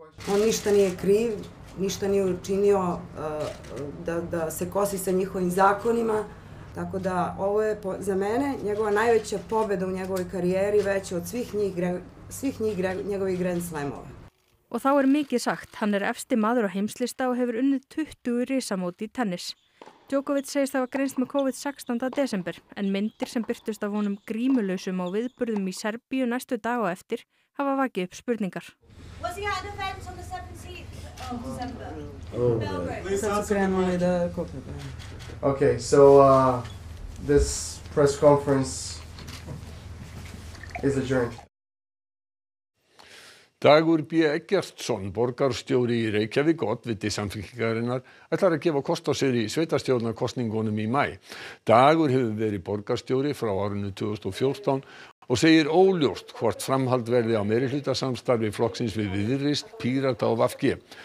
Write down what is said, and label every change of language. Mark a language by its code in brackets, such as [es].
[sr] On ništa nije kriv, ništa nije učinio da se kosi sa njihovim zakonima, tako da ovo je za mene njegova najveća pobeda u njegovoj karijeri, veća od svih njih njegovih Grand Slamova. [is] Og þá mikið sagt, hann efsti maður á heimslista og hefur unnið 20 risamót í tennis. Djokovic segist hafa greinst með COVID 16. desember, en myndir sem birtust af honum grímulausum og viðburðum í Serbíu næstu dag á eftir hafa vakið upp spurningar. [en] Was he at the fence on the 17th of December? Okay, so this press conference is adjourned. [is] Dagur B. Eggertsson, borgarstjóri í Reykjavík, oddviti samfylkingarinnar, ætlar að gefa kost á sér í sveitarstjórnarkosningunum í maí. Dagur hefur verið borgarstjóri frá árinu 2014 og segir óljóst hvort framhald verði á meirihlutasamstarfi flokksins við Viðreisn, Pírata og VG.